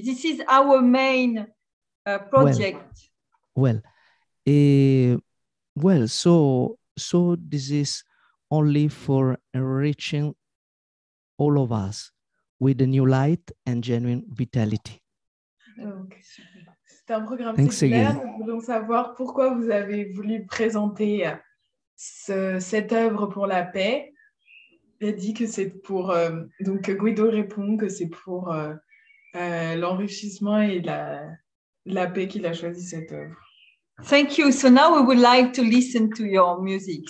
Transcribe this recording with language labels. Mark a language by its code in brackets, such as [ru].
[en] This is our main project. So this is only for enriching all of us with a new light and genuine vitality. [fr] C'est un programme séculaire. Nous voulons savoir pourquoi vous avez voulu présenter cette œuvre pour la paix. Il a dit que c'est pour... donc Guido répond que c'est pour l'enrichissement et la paix qu'il a choisi cette œuvre. [en] Thank you. So now we would like to listen to your music.